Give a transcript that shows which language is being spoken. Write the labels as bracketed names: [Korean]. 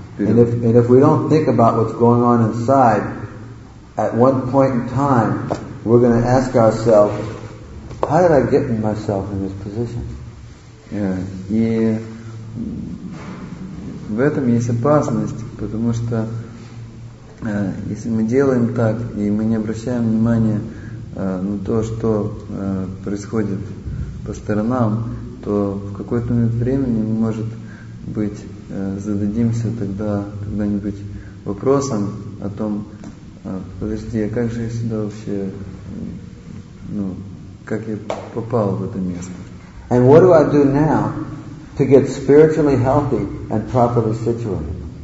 [English] And if we don't think about what's going on inside, at one point in time, we're going to ask ourselves, how did I get myself in this position? Yeah. [Russian] И в этом есть опасность, потому что если мы делаем так, и мы не обращаем внимания на то, что происходит по сторонам, то в какой-то момент времени, может быть, зададимся тогда когда-нибудь вопросом о том, подожди, а как же я сюда вообще, ну, как я попал в это место? [English] And what do I do now to get spiritually healthy and properly situated?